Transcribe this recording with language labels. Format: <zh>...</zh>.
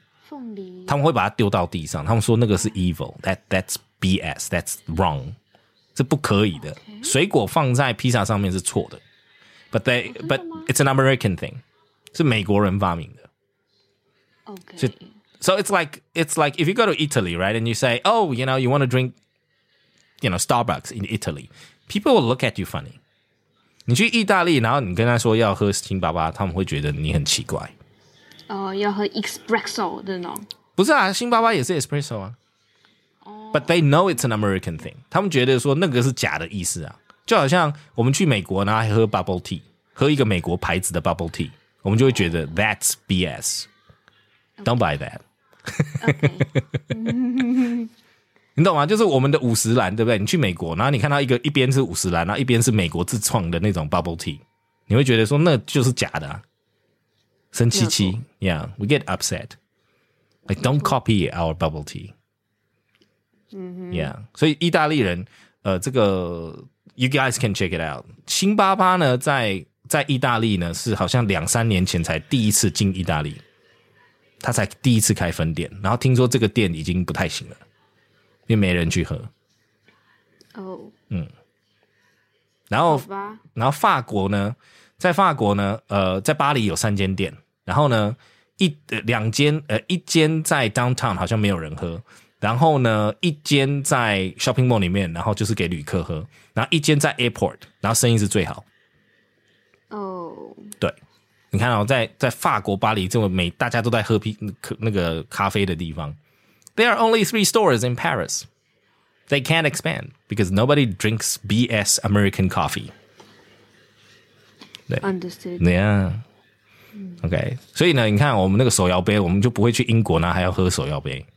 <zh>夏威夷披萨呢,如果给意大利人看到,他们是会把它丢到地上的。就是你在披萨上面放那个凤梨,他们会把它丢到地上,他们说那个是evil,</zh> <en>that's BS, that's wrong.</en> <zh>这不可以的。</zh> <en>Okay.</en> <zh>水果放在披萨上面是错的。</zh> <en>But but it's an American thing.</en> <zh>是美国人发明的。</zh> <en>Okay. So it's like if you go to Italy, right, and you say, oh, you know, you want to drink, you know, Starbucks in Italy, people will look at you funny.</en> <zh>你去意大利，然后你跟他说要喝星巴巴，他们会觉得你很奇怪。要喝espresso的呢？不是啊，星巴巴也是espresso啊。But</zh> <en>they know it's an American thing.</en> <zh>他们觉得说那个是假的意思啊。就好像我们去美国呢，还喝bubble tea， 喝一个美国牌子的bubble tea， 我们就会觉得</zh> <en>that's BS。 Don't buy that. Okay.</en> <zh>你懂吗？就是我们的五十岚，对不对？你去美国，然后你看到一个一边是五十岚，然后一边是美国自创的那种 bubble tea， 你会觉得说那就是假的、啊。</zh> <en>Senchichi. Yeah, cool. Yeah, we get upset. Like, don't copy our bubble tea. Mm-hmm. Yeah. So,</en> <zh>意大利人, 这个,</zh> <en>you guys can check it out.</en> <zh>星巴巴呢, 在意大利呢, 是好像两三年前才第一次进意大利。他才第一次开分店, 然后听说这个店已经不太行了, 因为没人去喝。</zh> <en>Oh.</en> <zh>嗯。然后法国呢, 在法国呢, 在巴黎有三间店, 然后呢, 一间在 downtown 好像没有人喝, 然后呢, 一间在 shopping mall 里面, 然后就是给旅客喝, 然后一间在 airport, 然后生意是最好。</zh> <en>Oh.</en> <zh>对。你看哦, 在法国巴黎这么美, 大家都在喝那个咖啡的地方。</zh> <en>There are only three stores in Paris. They can't expand because nobody drinks BS American coffee.</en> <zh>对,</zh> <en>understood. Yeah. Okay.</en> <zh>所以呢, 你看, 我们那个手摇杯, 我们就不会去英国呢, 还要喝手摇杯。</zh>